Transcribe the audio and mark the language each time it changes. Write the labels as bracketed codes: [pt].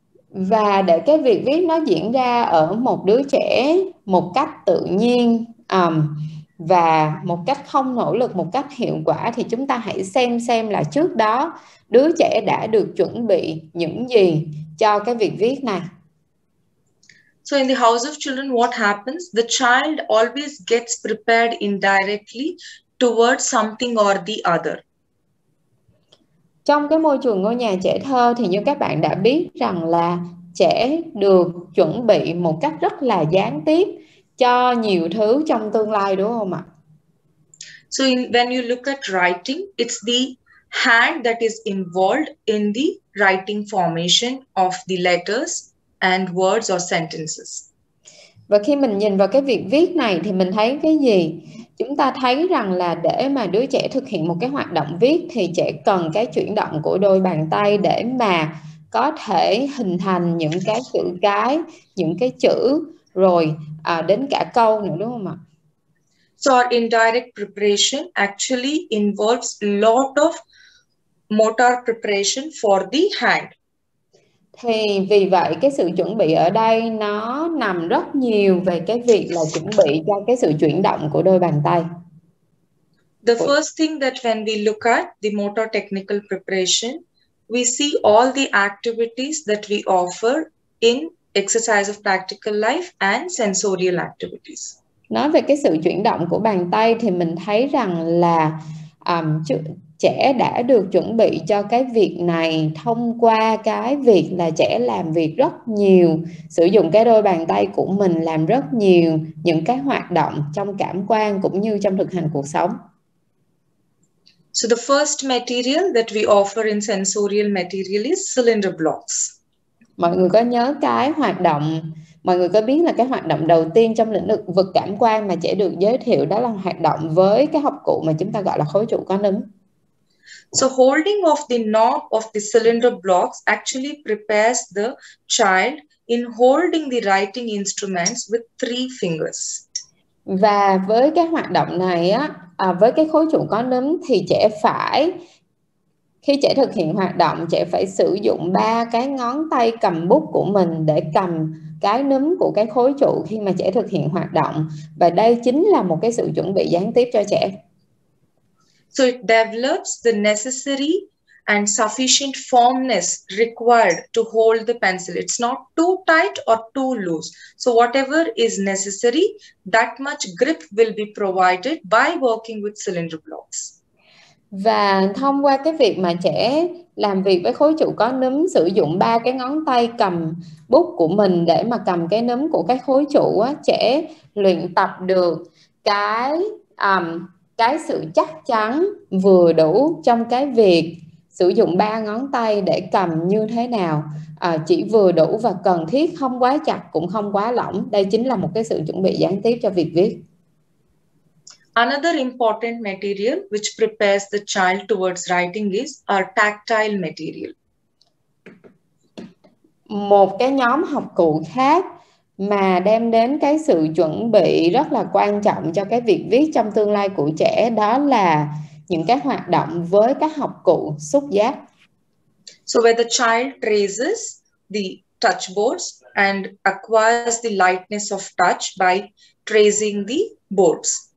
[vi] Và để cái việc viết nó diễn ra ở một đứa trẻ một cách tự nhiên, Và một cách không nỗ lực, một cách hiệu quả thì chúng ta hãy xem là trước đó đứa trẻ đã được chuẩn bị những gì cho cái việc viết này. [en] So in the house of children, what happens? The child always gets prepared indirectly towards something or the other. [vi] Trong cái môi trường ngôi nhà trẻ thơ thì như các bạn đã biết rằng là trẻ được chuẩn bị một cách rất là gián tiếp cho nhiều thứ trong tương lai, đúng không ạ? [en] So in, when you look at writing, it's the hand that is involved in the writing formation of the letters and words or sentences. [vi] Và khi mình nhìn vào cái việc viết này thì mình thấy cái gì? Chúng ta thấy rằng là để mà đứa trẻ thực hiện một cái hoạt động viết thì trẻ cần cái chuyển động của đôi bàn tay để mà có thể hình thành những cái chữ cái, những cái chữ rồi đến cả câu nữa, đúng không ạ? [en] So our indirect preparation actually involves lot of motor preparation for the hand. [vi] Thì vì vậy cái sự chuẩn bị ở đây nó nằm rất nhiều về cái việc là chuẩn bị cho cái sự chuyển động của đôi bàn tay. [en] The first thing that when we look at the motor technical preparation, we see all the activities that we offer in exercise of practical life and sensorial activities. [vi] Nói về cái sự chuyển động của bàn tay thì mình thấy rằng là trẻ đã được chuẩn bị cho cái việc này thông qua cái việc là trẻ làm việc rất nhiều, sử dụng cái đôi bàn tay của mình làm rất nhiều những cái hoạt động trong cảm quan cũng như trong thực hành cuộc sống. [en] So the first material that we offer in sensorial material is cylinder blocks. [vi] Mọi người có nhớ cái hoạt động, mọi người có biết là cái hoạt động đầu tiên trong lĩnh vực cảm quan mà trẻ được giới thiệu đó là hoạt động với cái hộp cụ mà chúng ta gọi là khối trụ có nấm. [en] So holding of the knob of the cylinder blocks actually prepares the child in holding the writing instruments with three fingers. [vi] Và với cái hoạt động này á, với cái khối trụ có nấm thì trẻ phải, khi trẻ thực hiện hoạt động, trẻ phải sử dụng ba cái ngón tay cầm bút của mình để cầm cái nấm của cái khối trụ khi mà trẻ thực hiện hoạt động. Và đây chính là một cái sự chuẩn bị gián tiếp cho trẻ. [en] So it develops the necessary and sufficient firmness required to hold the pencil. It's not too tight or too loose. So whatever is necessary, that much grip will be provided by working with cylinder blocks. [vi] Và thông qua cái việc mà trẻ làm việc với khối trụ có nấm, sử dụng ba cái ngón tay cầm bút của mình để mà cầm cái nấm của cái khối trụ á, trẻ luyện tập được cái sự chắc chắn vừa đủ trong cái việc sử dụng ba ngón tay để cầm như thế nào, chỉ vừa đủ và cần thiết, không quá chặt cũng không quá lỏng. Đây chính là một cái sự chuẩn bị gián tiếp cho việc viết. [en] Another important material which prepares the child towards writing is our tactile material. [vi] Một cái nhóm học cụ khác mà đem đến cái sự chuẩn bị rất là quan trọng cho cái việc viết trong tương lai của trẻ đó là những cái hoạt động với các học cụ xúc giác. [en] So where the child traces the touch boards and acquires the lightness of touch by tracing the boards.